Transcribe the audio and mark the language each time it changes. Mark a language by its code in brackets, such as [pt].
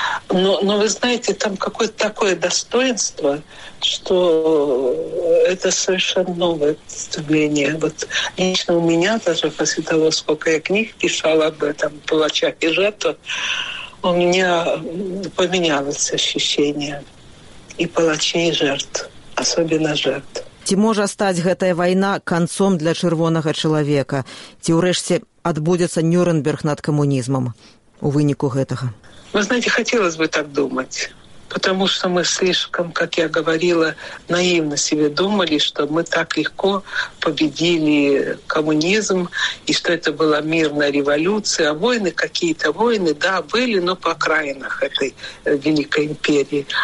[ru] Но вы знаете, там какое-то такое достоинство, что это совершенно новое представление. Вот лично у меня даже после того, сколько я книг писала об этом, «Палачах и жертвах», у меня поменялось ощущение. И палачей, жертв, особенно жертв. [be] Ці можа стаць гэтая вайна канцом для чырвонага чалавека? Ці ўрэшце адбудзецца Нюрнберг над камунізмам у выніку гэтага? [ru] Вы знаете, хотелось бы так думать, потому что мы слишком, как я говорила, наивно себе думали, что мы так легко победили коммунизм, и что это была мирная революция. А войны, какие-то войны, да, были, но по окраинах этой Великой Империи.